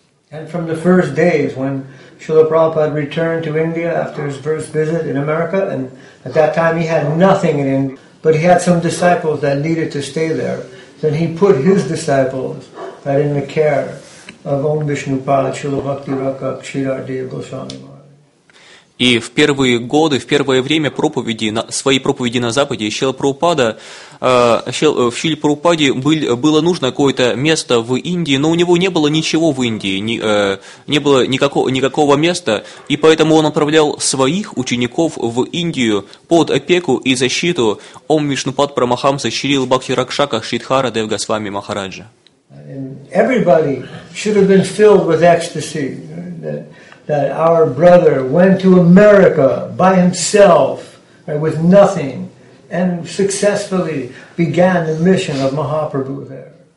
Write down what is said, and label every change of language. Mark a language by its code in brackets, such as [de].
[en] And from the first days, when Srila Prabhupada returned to India after his first visit in America, and at that time he had nothing in India, but he had some disciples that needed to stay there, then he put his disciples right in the care of Om Vishnupad, Srila Bhakti Rakak, Sridhar Deva Goswami. [ru] И в первые годы, в первое время проповеди, свои проповеди на Западе, Шрила Прабхупада, в Шриле Прабхупаде было нужно какое-то место в Индии, но у него не было ничего в Индии, не было никакого места, и поэтому он отправлял своих учеников в Индию под опеку и защиту Ом Вишнупад Парамахамса Шрила Бхакти Ракшака Шридхара Дев Госвами Махараджа. [en] Everybody should have been filled with ecstasy that our brother went to America by himself, right, with nothing, and successfully began the mission of Mahaprabhu there.